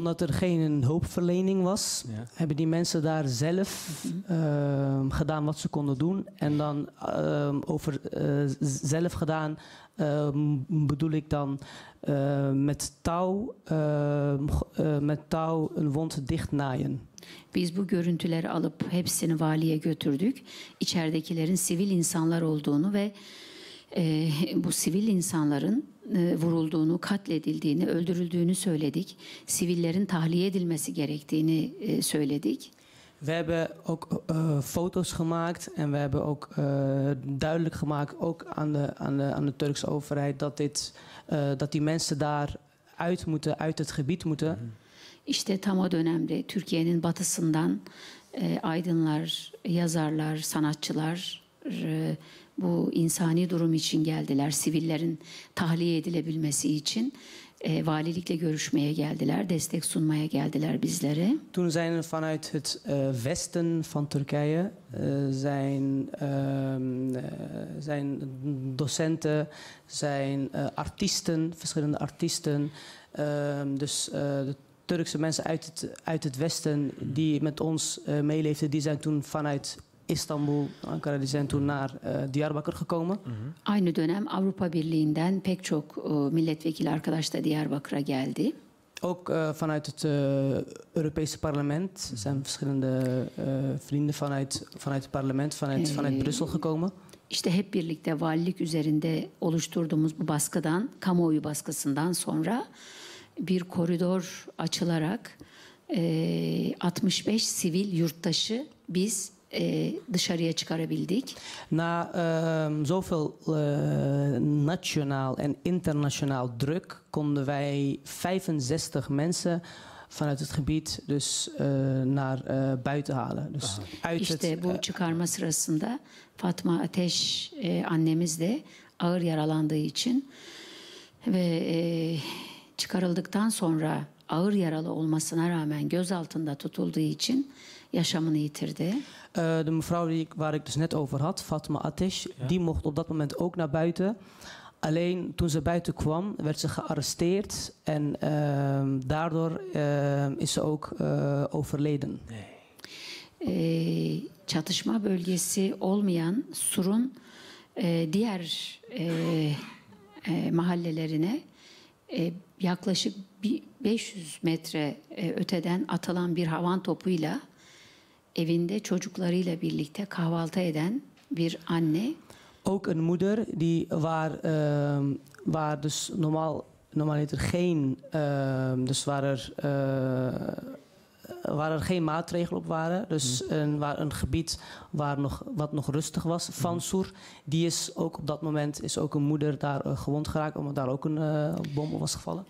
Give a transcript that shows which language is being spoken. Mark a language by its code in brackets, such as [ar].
[nl] Omdat er geen hulpverlening was, hebben die mensen daar zelf gedaan wat ze konden doen. En dan over zelf gedaan bedoel ik dan met touw een wond dichtnaaien. [tr] Biz bu görüntüleri alıp hepsini valiye götürdük. İçeridekilerin sivil insanlar olduğunu ve bu sivil insanların vurulduğunu, katledildiğini, öldürüldüğünü söyledik. Sivillerin tahliye edilmesi gerektiğini söyledik. [nl] We hebben ook foto's gemaakt en we hebben ook duidelijk gemaakt ook aan de Turkse overheid dat dit dat die mensen daar uit moeten, uit het gebied moeten. [tr] İşte tam o dönemde Türkiye'nin batısından aydınlar, yazarlar, sanatçılar bu insani durum için geldiler. Sivillerin tahliye edilebilmesi için valilikle görüşmeye geldiler, destek sunmaya geldiler bizlere. [nl] Toen zijn vanuit het westen van Turkije zijn docenten, zijn artiesten, verschillende artiesten, dus de Turkse mensen uit het westen die met ons meeleefden, die zijn toen vanuit Istanbul, Ankara, die zijn toen naar Diyarbakır gekomen. Mm-hmm. [tr] Aynı dönem Avrupa Birliği'nden pek çok milletvekili arkadaş da Diyarbakır'a geldi. [nl] Ook vanuit het Europese parlement zijn verschillende vrienden vanuit het parlement, vanuit Brussel gekomen. [tr] İşte hep birlikte valilik üzerinde oluşturduğumuz bu baskıdan, kamuoyu baskısından sonra bir koridor açılarak 65 sivil yurttaşı biz dışarıya çıkarabildik. [nl] Na zoveel nationaal en internationaal druk konden wij 65 mensen vanuit het gebied dus naar buiten halen. Dus [tr] bu çıkarma sırasında Fatma Ateş annemiz de ağır yaralandığı için ve çıkarıldıktan sonra ağır yaralı olmasına rağmen gözaltında tutulduğu için yaşamını yitirdi. [nl] De mevrouw waar ik dus net over had, Fatma Ateş, die mocht op dat moment ook naar buiten. Alleen toen ze buiten kwam, werd ze gearresteerd en daardoor is ze ook overleden. [tr] Çatışma bölgesi olmayan Sur'un diğer mahallelerine yaklaşık 500 metre öteden atılan bir havan topuyla evinde çocuklarıyla birlikte kahvaltı eden bir anne. [nl] Ook een moeder die waar dus normaal heet er geen dus waar er geen maatregelen op waren, dus waar een gebied waar nog wat nog rustig was, Fansur, die is ook op dat moment is ook een moeder daar gewond geraakt omdat daar ook een bom op was gevallen.